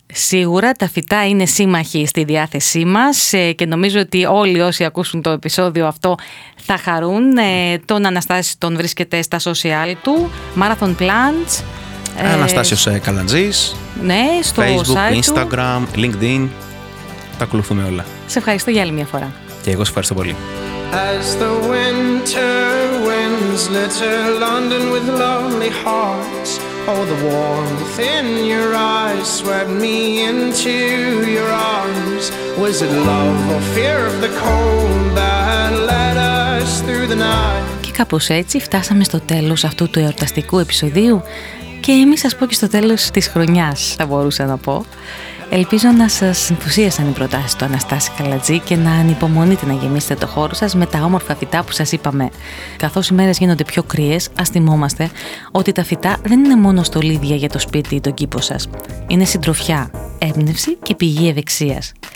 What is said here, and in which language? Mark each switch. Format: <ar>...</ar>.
<el>Σίγουρα τα φυτά είναι σύμμαχοι στη διάθεσή μας και νομίζω ότι όλοι όσοι ακούσουν το επεισόδιο αυτό θα χαρούν. Τον Αναστάση τον βρίσκεται στα social του, Marathon Plants. Αναστάσιος Καλαντζής. Ναι, στο Facebook, site, Instagram, του. LinkedIn. Τα ακολουθούμε όλα. Σε ευχαριστώ για άλλη μια φορά. Και εγώ σε ευχαριστώ πολύ.</el> <en>As the winter winds litter London with lonely hearts, all the warmth in your eyes swept me into your arms. Was it love or fear of the cold that led us through the night?</en> <el>Και κάπως έτσι φτάσαμε στο τέλος αυτού του εορταστικού επεισοδίου. Και μη σας πω και στο τέλος της χρονιάς, θα μπορούσα να πω. Ελπίζω να σας ενθουσίασαν οι προτάσεις του Αναστάση Καλατζή και να ανυπομονείτε να γεμίσετε το χώρο σας με τα όμορφα φυτά που σας είπαμε. Καθώς οι μέρες γίνονται πιο κρύες, ας θυμόμαστε ότι τα φυτά δεν είναι μόνο στολίδια για το σπίτι ή τον κήπο σας. Είναι συντροφιά, έμπνευση και πηγή ευεξίας.</el>